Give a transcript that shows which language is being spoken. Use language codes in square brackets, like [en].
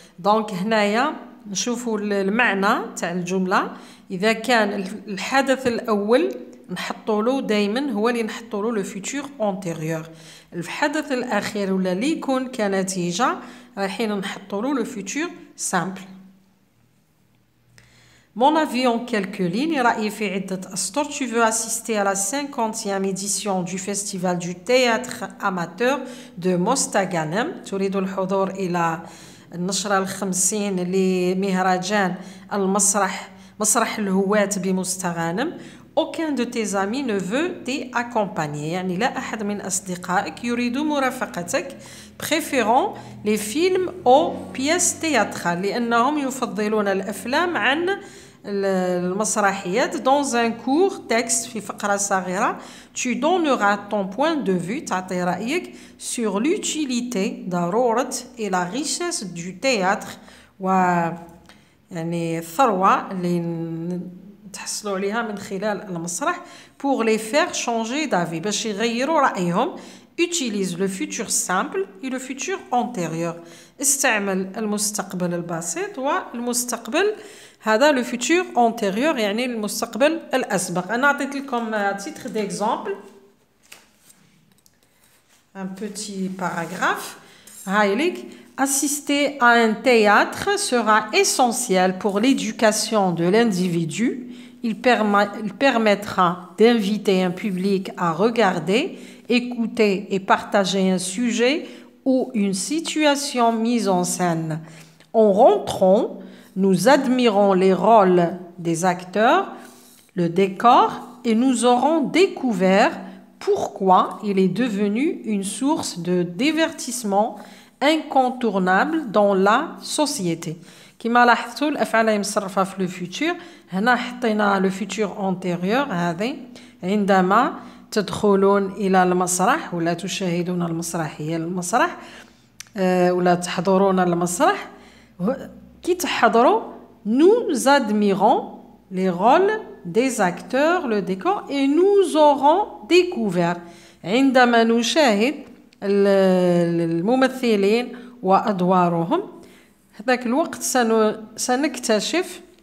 [ar] دونك هنايا نشوفوا المعنى تاع الجملة. إذا كان الحدث الأول نحطو له دائما هو اللي نحطو له le futur antérieur. الحدث الأخير ولا اللي يكون كنتيجة راحين نحطو له le futur simple. [fr] Mon avis en quelques lignes, [ar] رأيي في عدة أسطر. [fr] Tu veux assister à la 50e édition du Festival du théâtre amateur de Mostaganem. [ar] تريد الحضور إلى النشرة الخمسين لمهرجان المسرح مسرح الهواة بمستغانم. [fr] Aucun de tes amis ne veut t'accompagner. [ar] يعني لا أحد من أصدقائك يريد مرافقتك. [fr] Préférant les films aux pièces théâtrales. [ar] لأنهم يفضلون الأفلام عن المسرحيات. [fr] Dans un court texte, [ar] في فقرة صغيرة, [fr] tu donneras ton point de vue, [ar] تعطي رأيك, [fr] sur l'utilité, [ar] ضرورة, [fr] et la richesse du théâtre. [ar] و يعني الثروة اللي تحصلوا عليها من خلال المسرح. [fr] Pour les faire changer d'avis, [ar] باش يغيروا رأيهم. [fr] Utilise le futur simple et le futur antérieur. [ar] استعمل المستقبل البسيط والمستقبل هذا le futur antérieur يعني المستقبل الأسبق. أنا أعطيت لكم [fr] titre d'exemple. Un petit paragraphe. [ar] هايليك. [fr] Assister à un théâtre sera essentiel pour l'éducation de l'individu. Il permettra d'inviter un public à regarder, écouter et partager un sujet ou une situation mise en scène. En rentrant, nous admirons les rôles des acteurs, le décor et nous aurons découvert pourquoi il est devenu une source de divertissement incontournable dans la société. [ar] كما لاحظتوا الافعال هي مصرفه في لو فيتور هنا حطينا لو فيتور اونتيريور هذه عندما تدخلون الى المسرح ولا تشاهدون المسرح هي المسرح ولا تحضرون المسرح كي تحضروا [fr] nous admirons les rôles des acteurs le décor et nous aurons découvert [ar] عندما نشاهد الممثلين وادوارهم ذاك الوقت سنكتشف